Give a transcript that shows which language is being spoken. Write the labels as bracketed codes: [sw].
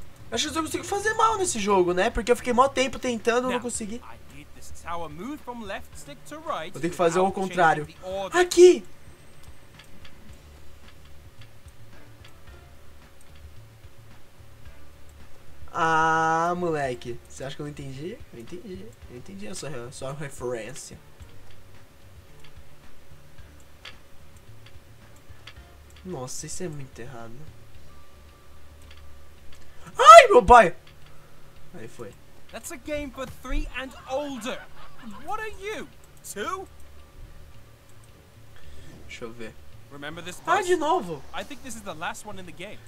[pt] Acho que eu consigo fazer mal nesse jogo, né? Porque eu fiquei mó tempo tentando, [en] now, [pt] não consegui. [en] I need this tower move from left stick to right. [pt] Vou ter que fazer o contrário. Aqui. Ah, moleque. Você acha que eu não entendi? Eu entendi. Eu entendi a sua referência. Nossa, isso é muito errado. Ai, meu pai! Aí foi. [en] That's a game for three and older. What are you? Two? [pt] Deixa eu ver. [en] Remember this [pt] bus? Ah, de novo! [en] I think this is the last one in the game.